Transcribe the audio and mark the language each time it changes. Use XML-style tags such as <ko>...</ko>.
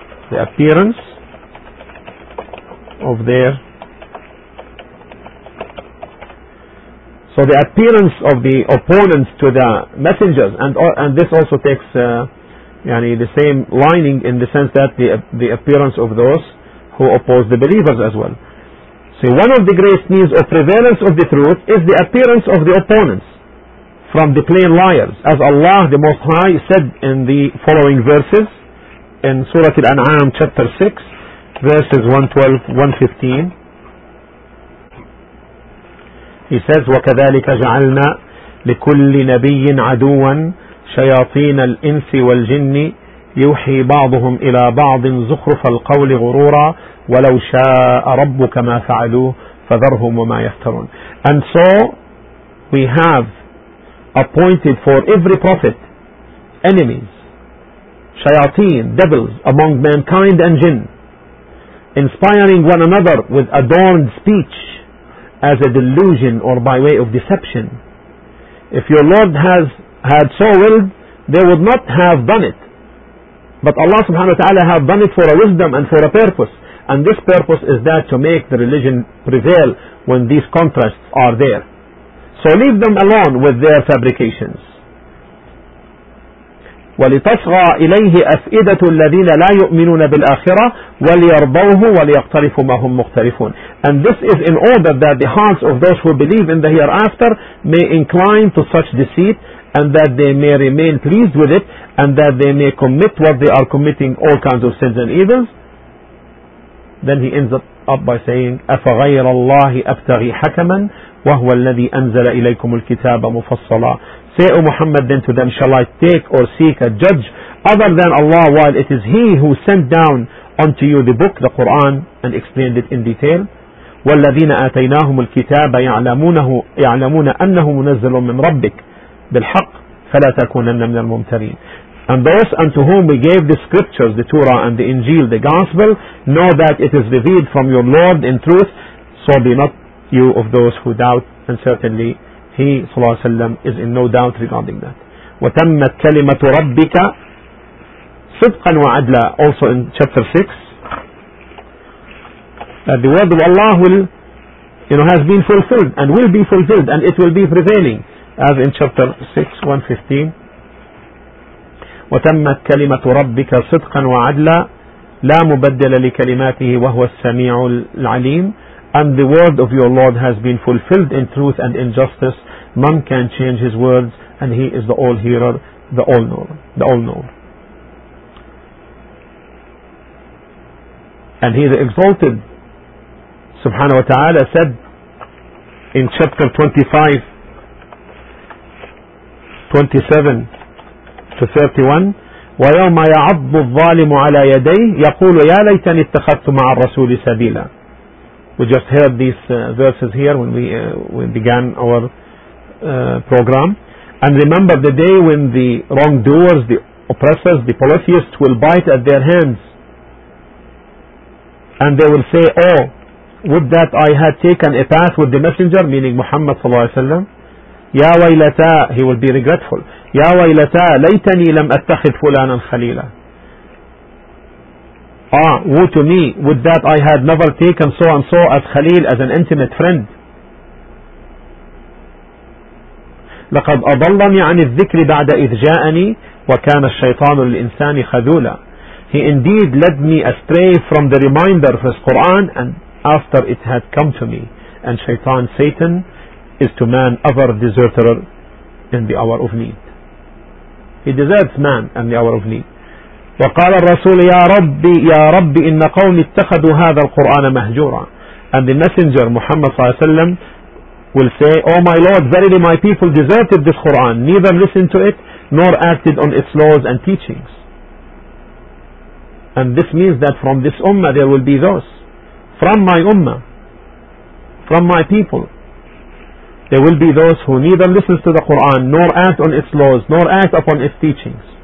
<en>The appearance of their so the appearance of the opponents to the messengers, and this also takes the same lining, in the sense that the appearance of those who oppose the believers as well. So one of the great means of prevalence of the truth is the appearance of the opponents from the plain liars. As Allah the Most High said in the following verses, in Surah Al-An'am chapter 6, verses 112-115, He says,</en> <ar>وَكَذَلِكَ جَعَلْنَا لِكُلِّ نَبِيٍّ عَدُوًا شَيَاطِينَ الْإِنْسِ وَالْجِنِّ يوحي بعضهم إلى بعض زخرف القول غرورا ولو شاء ربك ما فعلوه فذرهم وما يفترون.</ar> <en>And so we have appointed for every prophet enemies, shayateen, devils among mankind and jinn, inspiring one another with adorned speech as a delusion or by way of deception. If your Lord has had so willed, they would not have done it. But Allah subhanahu wa ta'ala have done it for a wisdom and for a purpose. And this purpose is that to make the religion prevail when these contrasts are there. So leave them alone with their fabrications.</en> <ar>وَلِتَصْغَى إِلَيْهِ أَفْئِدَةُ الَّذِينَ لَا يُؤْمِنُونَ بِالْآخِرَةِ وَلِيَرْضَوْهُ وَلِيَقْتَرِفُ مَا هُمْ مُخْتَرِفُونَ.</ar> <en>And this is in order that the hearts of those who believe in the hereafter may incline to such deceit, and that they may remain pleased with it, and that they may commit what they are committing, all kinds of sins and evils. Then he ends up by saying,</en> <ar>أَفَغَيْرَ اللَّهِ أَبْتَغِي حَكَمًا وَهُوَ الَّذِي أَنزَلَ إِلَيْكُمُ الْكِتَابَ مُفَصَّلًا.</ar> <en>Say, O Muhammad, then to them, shall I take or seek a judge other than Allah, while it is He who sent down unto you the book, the Quran, and explained it in detail?</en> <ar>وَالَّذِينَ آتَيْنَاهُمُ الْكِتَابَ يَعْلَمُونَ أَنَّهُ مُنَزَّلٌ مِّن رَبِّكَ بالحق فلا تكونن من الممترين.</ar> <en>And those unto whom we gave the scriptures, the Torah and the Injil, the Gospel, know that it is revealed from your Lord in truth, so be not you of those who doubt. And certainly he صلى الله عليه وسلم is in no doubt regarding that.</en> <ar>وتمت كلمة ربك صدقا وعدلا,</ar> <en>also in chapter 6, that the word of Allah will, you know, has been fulfilled and will be fulfilled, and it will be prevailing, as in chapter 6:115.</en> <ar>وَتَمَّتْ كَلِمَةُ رَبِّكَ صِدْقًا وَعَدْلًا لَا مُبَدِّلَ لِكَلِمَاتِهِ وَهُوَ السَّمِيعُ الْعَلِيمُ.</ar> <en>And the word of your Lord has been fulfilled in truth and in justice. None can change his words, and he is the all hearer, the all knower, the all knower. And he the exalted subhanahu wa ta'ala said in chapter 25:27-31,</en> <ar>وَيَوْمَ يَعَضُّ الظَّالِمُ عَلَى يَدَيْهِ يَقُولُ يَا لَيْتَنِي اتَّخَذْتُ مَعَ الرَّسُولِ سَبِيلًا.</ar> <en>We just heard these verses here when we began our program. And remember the day when the wrongdoers, the oppressors, the polytheists will bite at their hands, and they will say, oh, would that I had taken a path with the messenger, meaning Muhammad صلى الله عليه وسلم.</en> <ar>Ya waylata,</ar> <en>he will be regretful.</en> <ar>Ya waylata, laytani lam attakhid fulanan khalila.</ar> <en>Ah, woe to me, would that I had never taken so and so as khalil, as an intimate friend.</en> <ar>لقد أضلني عن الذكر بعد إذ جاءني وكان الشيطان للإنسان خذولا.</ar> <en>He indeed led me astray from the reminder of his Quran, and after it had come to me, and shaitan, Satan, is to man ever deserter in the hour of need. He deserts man in the hour of need.</en> <ar>وقال الرسول يا ربي إن قومي اتخذوا هذا القرآن مهجورا.</ar> <en>And the messenger Muhammad صلى الله عليه وسلم will say, oh my Lord, verily my people deserted this Quran, neither listened to it nor acted on its laws and teachings. And this means that from this ummah there will be those, from my ummah, from my people, there will be those who neither listens to the Quran, nor act on its laws, nor act upon its teachings.</en>